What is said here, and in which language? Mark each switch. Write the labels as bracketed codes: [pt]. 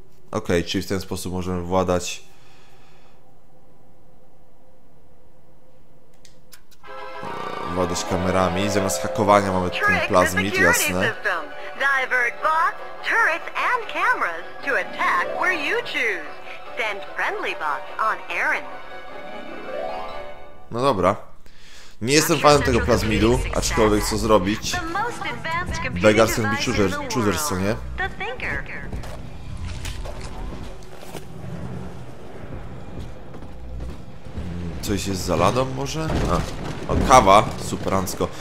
[pl] Okej, czyli w ten sposób możemy władać. Władać kamerami. Zamiast hakowania mamy ten plazmid, jasne. [en] Divert bots, turrets and cameras to attack where you choose. Send friendly bots on errands. [pl] No dobra. Nie jestem fanem tego plazmidu, aczkolwiek co zrobić. Vegas chce być chooser, co nie? Coś jest za ladą może? A, kawa, superancko.